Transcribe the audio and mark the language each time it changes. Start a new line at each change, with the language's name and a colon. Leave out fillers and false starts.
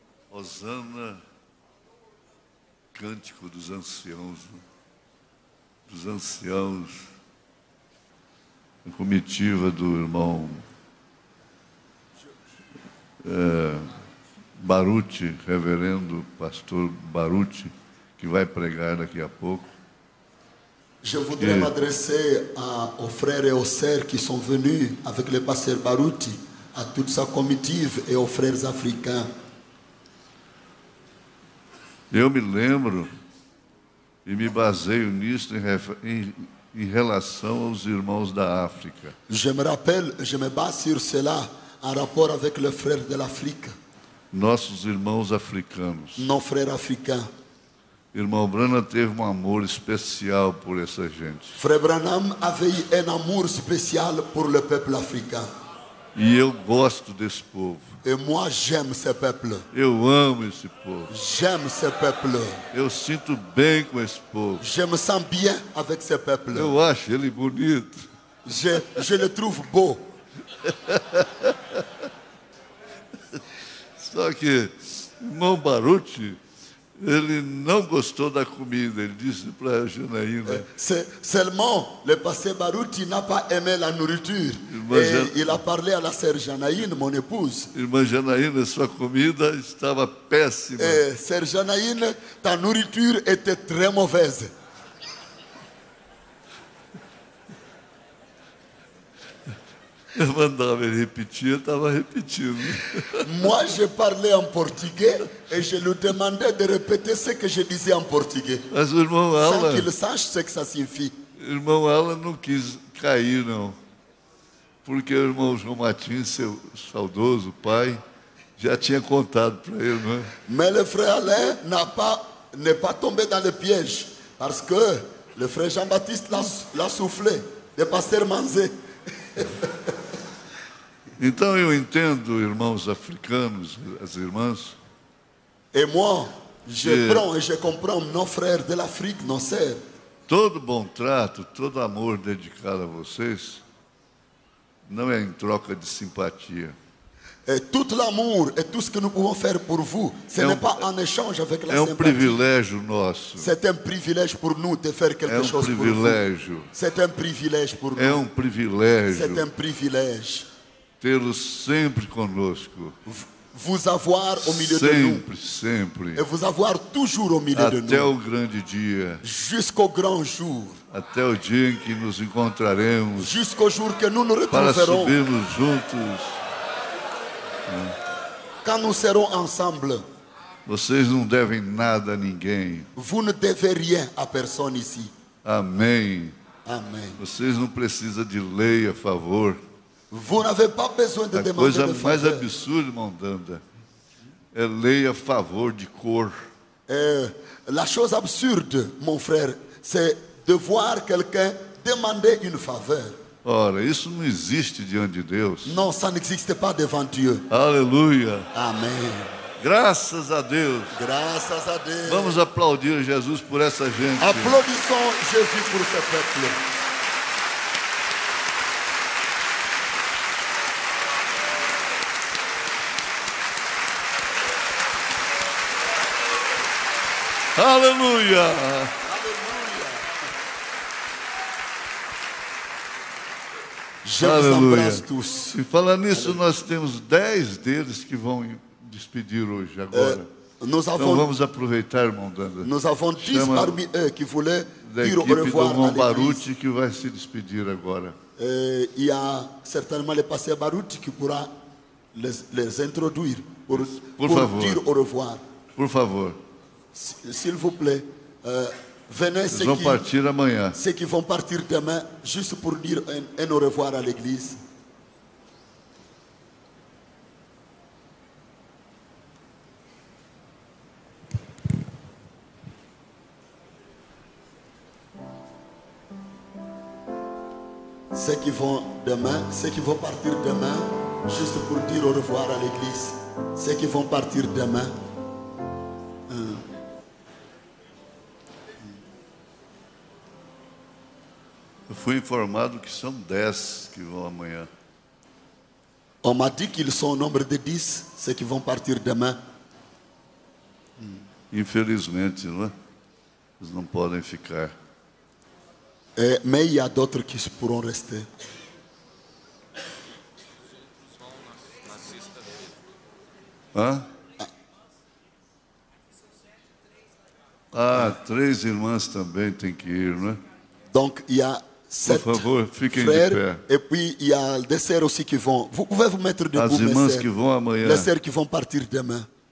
Portuguese: Hosana, cântico dos anciãos, a comitiva do irmão Baruti, reverendo pastor Baruti, que vai pregar daqui a pouco.
French: Je voudrais m'adresser aux frères et aux sœurs qui sont venus avec le pasteur Baruti, à toute sa comitive et aux frères africains.
Portuguese: Eu me lembro e me baseio nisso em relação aos irmãos da África.
French: Je me rappelle, je me base sur cela en rapport avec les frères de l'Afrique.
Portuguese: Nossos irmãos africanos.
French: Nos frères africains.
Portuguese: Irmão Branham teve um amor especial por essa gente.
French: Frère Branham avait un amour spécial pour le peuple africain.
Portuguese: E eu gosto desse povo.
French: Et moi j'aime ce peuple.
Portuguese: Eu amo esse povo.
French: J'aime ce peuple.
Portuguese: Eu sinto bem com esse povo.
French: Je me sens bien avec ce peuple.
Portuguese: Eu acho ele bonito.
French: Je le trouve beau.
Portuguese: Só que irmão Baruti, ele não gostou da comida, ele disse para a Janaína.
French: Seulement, le pasteur Baruti n'a pas aimé la nourriture. Il a parlé à la sœur Janaína, mon épouse.
Portuguese: Irmã Janaína, sua comida estava péssima.
French: Sœur Janaína, ta nourriture était très mauvaise.
Portuguese: Eu mandava ele repetir, eu estava repetindo.
French: Moi, je parlais en portugais et je lui demandais de répéter ce que je disais en portugais.
Portuguese: Mas o irmão Alan,
French: sans qu'il sache ce que ça signifie.
Portuguese: Irmão Alan não quis cair, não. Porque o irmão João Martins, seu saudoso pai, já tinha contado para ele, não é?
French: Mais le frère Alain n'est pas tombé dans le piège parce que le frère Jean-Baptiste l'a soufflé, le pasteur Manzé.
Portuguese: Então eu entendo, irmãos africanos, as irmãs.
French: Et moi, je prends et je comprends nos frères de l'Afrique, nos sœurs.
Portuguese: Todo bom trato, todo amor dedicado a vocês não é em troca de simpatia.
French: Et tout l'amour et tout ce que nous pouvons faire pour vous, ce n'est pas en échange avec la sympathie.
Portuguese: É um privilégio nosso.
French: C'est un privilège pour nous de faire quelque chose pour vous.
Portuguese: É um privilégio.
French: C'est un privilège pour nous.
Portuguese: É um privilégio.
French: C'est un privilège.
Portuguese: Tê-los sempre conosco.
French: Vous avoir au milieu
Portuguese: sempre,
French: de nous.
Portuguese: Sempre, sempre.
French: Et vous avoir toujours au milieu
Portuguese: Até
French: de nous.
Portuguese: Até o grande dia.
French: Jusqu'au grand jour.
Portuguese: Até o dia em que nos encontraremos.
French: Jusqu'au jour que nous nous retrouverons.
Portuguese: Para subirmos juntos.
French: Quand nous serons ensemble.
Portuguese: Vocês não devem nada a ninguém.
French: Vous ne devez rien à personne ici.
Portuguese: Amém. Amém. Vocês não precisam de lei a favor. Vous n'avez pas besoin de demander. A coisa mais absurda, irmão Danda, é lei a favor de cor. La chose absurde, mon frère, c'est de voir quelqu'un demander une faveur. Ora, isso não existe diante de Deus. Non, ça n'existe pas devant Dieu. Aleluia. Amém. Graças a Deus. Graças a Deus. Vamos aplaudir Jesus por essa gente.
French: Aplaudissons Jesus por ce peuple.
Portuguese: Aleluia. Aleluia. Jesus abraça todos. E falando nisso, nós temos 10 deles que vão despedir hoje, agora. Nós então vamos aproveitar, irmão Danda.
French: Nós avons 10 parmi eux qui voulaient dire au revoir à l'église.
Portuguese: Da equipe do Baruti que vai se despedir agora. E há certamente o pastor Baruti que poderá
French: les introduire
Portuguese: por favor.
French: Dire au revoir.
Portuguese: Por favor.
French: S'il vous plaît, venez ceux vont partir
Portuguese: amanhã.
French: Ceux qui vont partir demain juste pour dire un au revoir à l'église. Ceux qui vont demain, ceux qui vont partir demain, juste pour dire au revoir à l'église. Ceux qui vont partir demain.
Portuguese: Eu fui informado que são 10 que vão amanhã.
French: On m'a dit qu'ils sont au nombre de 10, ceux qui vont partir demain.
Portuguese: Infelizmente, não é? Eles não podem ficar.
French: Mais il y a d'autres qui pourront rester.
Portuguese: Ah, 3 irmãs também têm que ir, não é?
French: Donc, il y a 7
Portuguese: Por favor, fiquem
French: frères,
Portuguese: de pé.
French: Et puis, il y a des sœurs aussi qui vont. Vous pouvez vous mettre debout,
Portuguese: as irmãs que vão amanhã.
French: Les sœurs qui vont partir demain.